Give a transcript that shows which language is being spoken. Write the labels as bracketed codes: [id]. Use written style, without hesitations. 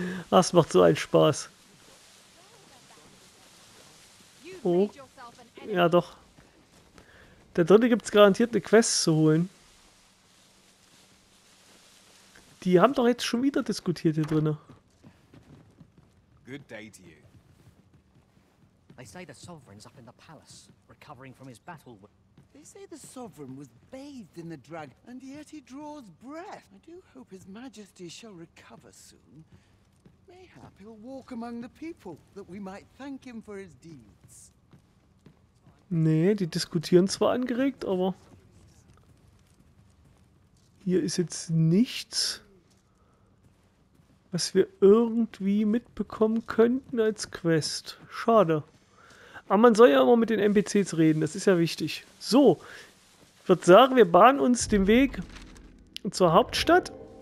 [de] Das macht so einen Spaß. Oh. Ja, doch. Der dritte gibt es garantiert eine Quest zu holen. Die haben doch jetzt schon wieder diskutiert hier drinnen. [en] Good day to you. They say the sovereign's up in the palace, recovering from his battle. They say the sovereign was bathed in the dragon, and yet he draws breath. I do hope his majesty shall recover soon. Mayhap he'll walk among the people, that we might thank him for his deeds. [de] Nee, die diskutieren zwar angeregt, aber hier ist jetzt nichts, was wir irgendwie mitbekommen könnten als Quest. Schade. Aber man soll ja immer mit den NPCs reden, das ist ja wichtig. So, ich würde sagen, wir bahnen uns den Weg zur Hauptstadt.